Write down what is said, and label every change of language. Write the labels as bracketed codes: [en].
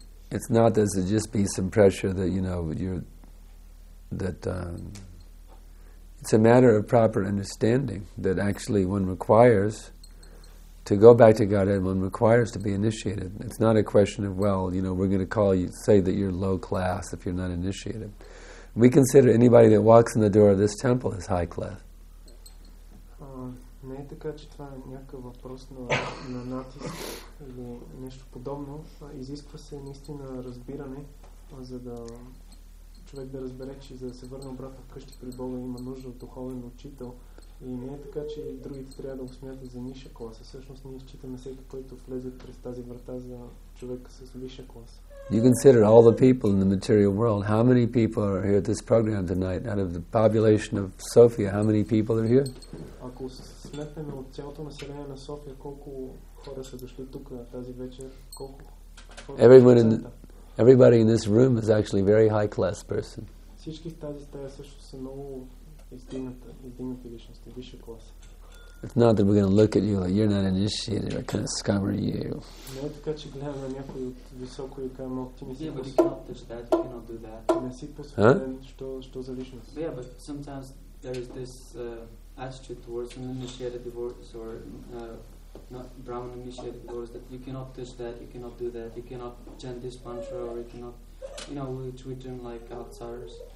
[en] It's not that there's just be some pressure that, you know, you're, that it's a matter of proper understanding that actually one requires to go back to Godhead, one requires to be initiated. It's not a question of, well, you know, we're going to call you, say that you're low class if you're not initiated. We consider anybody that walks in the door of this temple as high class. [bg] Не е така, че това е някакъв въпрос на, на натиск или нещо подобно. Изисква се наистина разбиране, за да човек да разбере, че за да се върне обратно вкъщи при Бога има нужда от духовен учител. И не е така, че другите трябва да го смятат за ниша класа. Всъщност ние считаме всеки, който влезе през тази врата за човек с висша класа. [en] You consider all the people in the material world. How many people are here at this program tonight? Out of the population of Sofia, how many people are here? [bg] Ако сметнеме от цялото население на София, колко хора са дошли тук тази вечер? Колко? [en] Everybody in this room is actually a very high class person. [bg] Всички в тази стая също са много издигнати личности, висша класа. [en] It's not that we're going to look at you like you're not initiated or kind of scum are you. Yeah, but you cannot just that. You cannot do that. Huh? Yeah, but sometimes there is this attitude towards an initiated divorce or not Brahman initiated divorce that you cannot touch that, you cannot do that, you cannot chant this mantra or you cannot, you know, we turn like outsiders.